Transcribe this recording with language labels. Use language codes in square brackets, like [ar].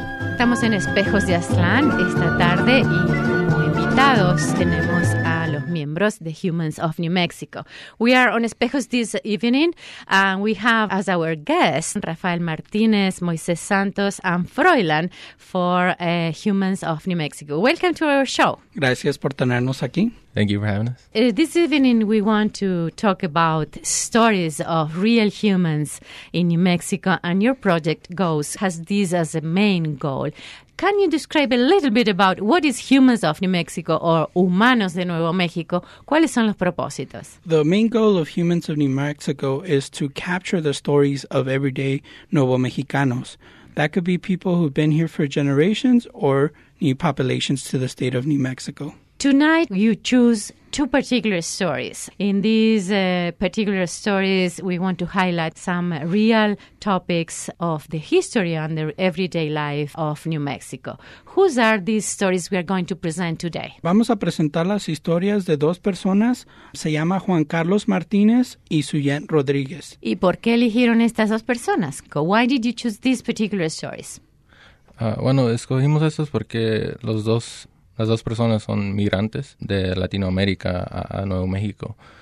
[es] Estamos en Espejos de Aztlán esta tarde y como invitados tenemos a los miembros de Humans of New Mexico. [en] We are on Espejos this evening and we have as our guests Rafael Martínez, Moisés Santos and Froilán for Humans of New Mexico. Welcome to our show. [es] Gracias por tenernos aquí. [en] Thank you for having us. This evening we want to talk about stories of real humans in New Mexico, and your project GOES has this as a main goal. Can you describe a little bit about what is Humans of New Mexico or Humanos de Nuevo México? [es] ¿Cuáles son los propósitos? [en] The main goal of Humans of New Mexico is to capture the stories of everyday Nuevo Mexicanos. That could be people who've been here for generations or new populations to the state of New Mexico. Tonight, you choose two particular stories. In these particular stories, we want to highlight some real topics of the history and the everyday life of New Mexico. Whose are these stories we are going to present today? [es] Vamos a presentar las historias de dos personas. Se llama Juan Carlos Martínez y Suyen Rodríguez. ¿Y por qué eligieron estas dos personas? [en] Why did you choose these particular stories? [es] Bueno, escogimos estos porque las dos personas son migrantes de Latinoamérica a Nuevo México.